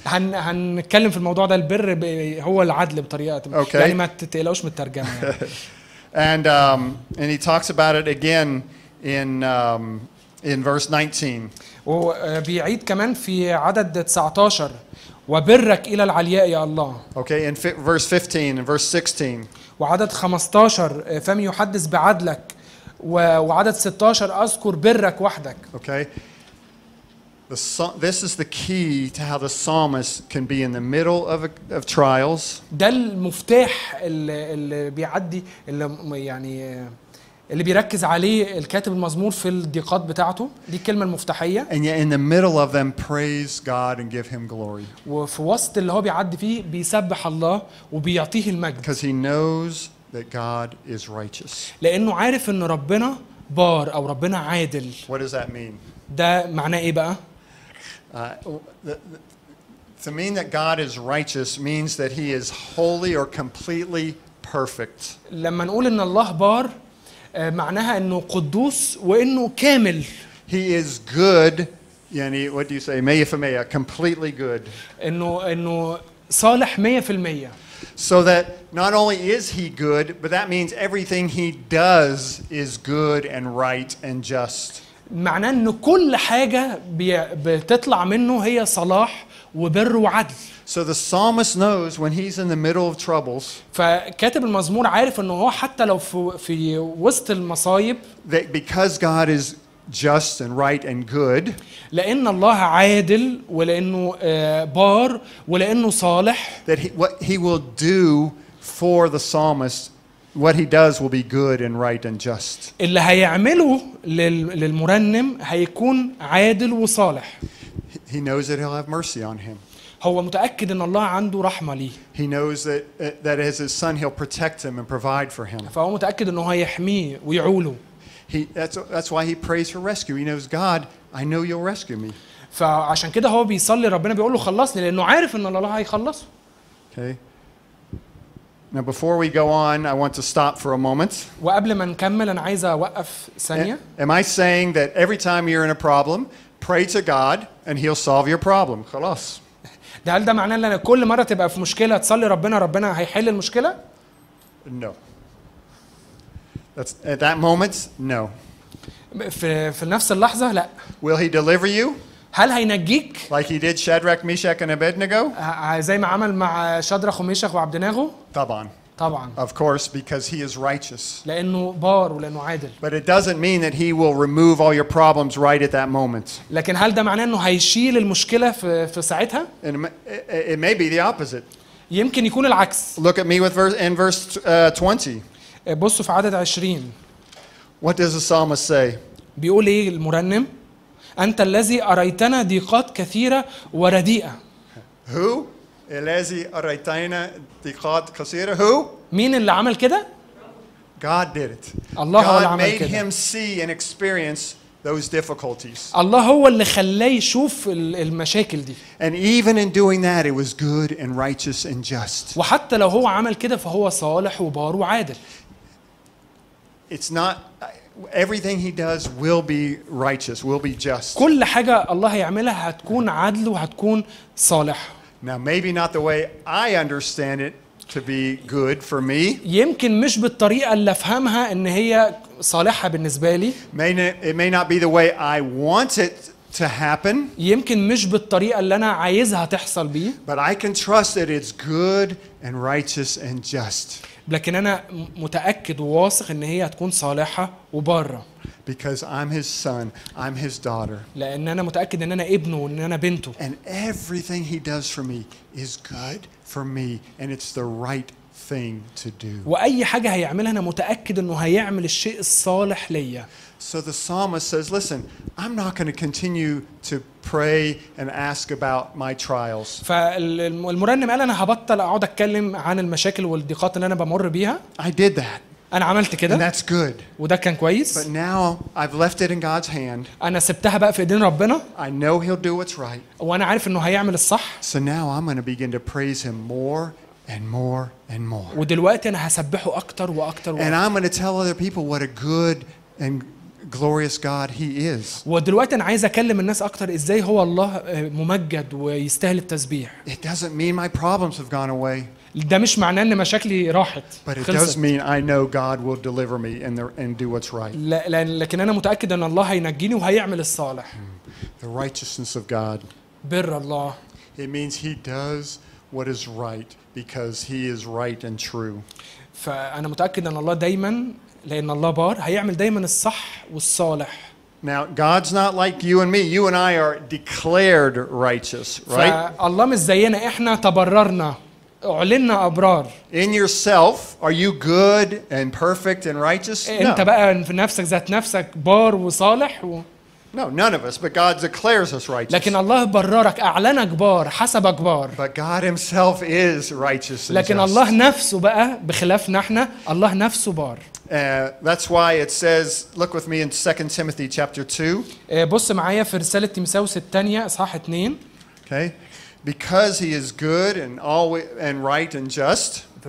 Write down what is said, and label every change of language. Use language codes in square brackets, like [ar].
[ar] هنتكلم في الموضوع ده البر هو العدل بطريقة. [en] Okay. [ar] يعني ما تقلقوش من الترجمة. [en] And he talks about it again in verse 19. [ar] وبيعيد كمان في عدد 19 وبرك الى العلياء يا الله. [en] Okay, in verse 15 and verse 16. [ar] وعدد 15 فم يحدث بعدلك وعدد 16 اذكر برك وحدك. [en] Okay. This is the key to how the psalmist can be in the middle of trials. [ar] ده المفتاح اللي بيعدي اللي يعني اللي بيركز عليه الكاتب المزمور في الضيقات بتاعته دي الكلمة المفتاحية. [en] And yet in the middle of them praise God and give him glory. [ar] وفي وسط اللي هو بيعدي فيه بيسبح الله وبيعطيه المجد. [en] Because he knows that God is righteous. [ar] لأنه عارف إن ربنا بار أو ربنا عادل. [en] What does that mean? [ar] ده معناه إيه بقى؟ [en] To mean that God is righteous means that he is holy or completely perfect. [ar] لما نقول إن الله بار معناها انه قدوس وانه كامل. [en] He is good, [ar] يعني [en] what do you say, 100% completely good. [ar] انه صالح 100%. [en] So that not only is he good, but that means everything he does is good and right and just. [ar] معناه انه كل حاجه بتطلع منه هي صلاح وبر وعدل. [en] So the psalmist knows when he's in the middle of troubles. [ar] فكاتب المزمور عارف انه هو حتى لو في وسط المصايب. [en] That because God is just and right and good. [ar] لأن الله عادل ولأنه بار ولأنه صالح. [en] That what he will do for the psalmist, what he does will be good and right and just. [ar] اللي هيعمله للمرنم هيكون عادل وصالح. [en] He knows that he'll have mercy on him. [ar] هو متأكد إن الله عنده رحمة لي. [en] He knows that as his son he'll protect him and provide for him. [ar] فهو متأكد إنه هيحميه ويعوله. [en] That's why he prays for rescue. He knows, God, I know you'll rescue me. [ar] فعشان كده هو بيصلي ربنا بيقول له خلصني لأنه عارف إن الله هيخلصه. [en] Okay. Now before we go on, I want to stop for a moment. [ar] وقبل ما نكمل أنا عايز أوقف ثانية. [en] Am I saying that every time you're in a problem, pray to God and he'll solve your problem? [ar] خلاص. ده معناه ان كل مره تبقى في مشكله تصلي ربنا هيحل المشكله؟ [en] No. That's at that moment? No. [ar] في نفس اللحظه لا. [en] Will he deliver you? [ar] هل هينجيك؟ [en] Like he did Shadrach, Meshach and Abednego? [ar] زي ما عمل مع شادرخ وميشخ وعبدناغو؟ طبعا. [en] Of course, because he is righteous. [ar] لأنه بار ولأنه عادل. [en] But it doesn't mean that he will remove all your problems right at that moment. [ar] لكن هل ده معناه إنه هيشيل المشكلة في ساعتها؟ [en] It may be the opposite. [ar] يمكن يكون العكس. [en] Look at me with verse 20. [ar] بصوا في عدد 20. [en] What does the psalmist say? [ar] بيقول إيه المرنم؟ أنت الذي أريتنا ضيقات كثيرة ورديئة. [en] Who? [ar] الذي أريتنا ضيقات كثيرة. [en] Who? [ar] مين اللي عمل كده؟ [en] God did it. [ar] الله [en] God [ar] هو اللي عمل كده. [en] God made him see and experience those difficulties. [ar] الله هو اللي خلاه يشوف المشاكل دي. [en] And even in doing that, it was good and righteous and just. [ar] وحتى لو هو عمل كده فهو صالح وبار وعادل. [en] It's not everything he does will be righteous, will be just. [ar] كل حاجة الله يعملها هتكون عادل وهتكون صالح. [en] Now maybe not the way I understand it to be good for me. [ar] يمكن مش بالطريقة اللي فهمها إن هي صالحة بالنسبة لي. [en] It may not be the way I want it to happen. [ar] يمكن مش بالطريقة اللي أنا عايزها تحصل بيه. [en] But I can trust that it's good and righteous and just. [ar] لكن أنا متأكد وواثق إن هي هتكون صالحة وبارة. [en] Because I'm his son, I'm his daughter. [ar] لأن أنا متأكد إن أنا ابنه وإن أنا بنته. [en] And everything he does for me is good for me, and it's the right thing to do. [ar] وأي حاجة هيعملها أنا متأكد إنه هيعمل الشيء الصالح ليا. [en] So the psalmist says, "Listen, I'm not going to continue to pray and ask about my trials." [ar] فالمرنم قال أنا هبطل أقعد أتكلم عن المشاكل والضيقات اللي أنا بمر بيها. [en] I did that. [ar] أنا عملت كده. [en] And that's good. [ar] وده كان كويس. [en] But now I've left it in God's hand. [ar] أنا سبتها بقى في إيدين ربنا. [en] I know He'll do what's right. [ar] وأنا عارف إنه هيعمل الصح. [en] So now I'm going to begin to praise Him more and more and more. [ar] ودلوقتي أنا هسبحه أكتر وأكتر. [en] And I'm going to tell other people what a good and glorious God He is. [ar] ودلوقتي أنا عايز أكلم الناس أكتر إزاي هو الله ممجد ويستاهل التسبيح. [en] It doesn't mean my problems have gone away. [ar] ده مش معناه ان مشاكلي راحت [en] But it does mean I know God will deliver me and do what's right. [ar] لكن انا متاكد ان الله هينجيني وهيعمل الصالح. [en] The righteousness of God. [ar] بر الله. [en] It means he does what is right because he is right and true. [ar] فانا متاكد ان الله دايما لان الله بار هيعمل دايما الصح والصالح. [en] Now God's not like you and me. You and I are declared righteous, right? [ar] فالله مش زينا احنا تبررنا. أعلننا أبرار. [en] In yourself, are you good and perfect and righteous? [ar] أنت بقى في نفسك ذات نفسك بار وصالح. [en] No, none of us, but God declares us righteous. [ar] لكن الله بررك أعلنك بار حسب أكبر. [en] But God Himself is righteous. [ar] لكن الله نفسه بقى بخلاف نحنا الله نفسه بار. [en] That's why it says, look with me in 2 Timothy chapter 2. [ar] بص معايا في رسالة تيموثاوس الثانية إصحاح 2. [en] Okay. Because he is good and always and right and just.